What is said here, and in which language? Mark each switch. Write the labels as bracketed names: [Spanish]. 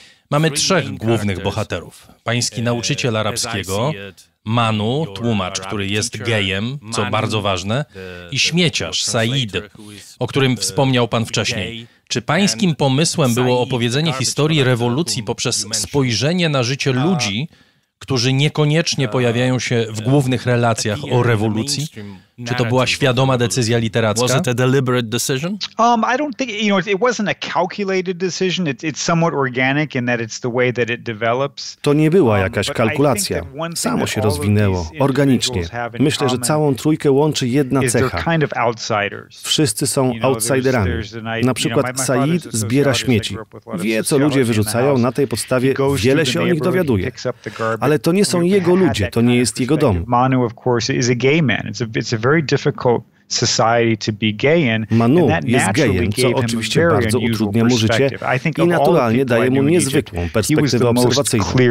[Polish] Mamy trzech głównych bohaterów. Pański nauczyciel arabskiego, Manu, tłumacz, który jest gejem, co bardzo ważne, i śmieciarz, Said, o którym wspomniał pan wcześniej. Czy pańskim pomysłem było opowiedzenie historii rewolucji poprzez spojrzenie na życie ludzi, którzy niekoniecznie pojawiają się w głównych relacjach o rewolucji? Czy to była świadoma decyzja literacka? [English] Was it a deliberate decision? I don't think, you know, it wasn't a calculated decision. It's somewhat organic in that it's the way that it develops. [Polish] To nie była jakaś kalkulacja. Samo się rozwinęło, organicznie. Myślę, że całą trójkę łączy jedna cecha. Wszyscy są outsiderami. Na przykład Said zbiera śmieci. Wie, co ludzie wyrzucają, na tej podstawie wiele się o nich dowiaduje. Ale to nie są jego ludzie, to nie jest jego dom. [English] Manu, of course, is a gay man. It's a very difficult society to be gay in. [Polish] Manu jest gejem, co oczywiście bardzo utrudnia mu życie i naturalnie daje mu niezwykłą perspektywę obserwacyjną.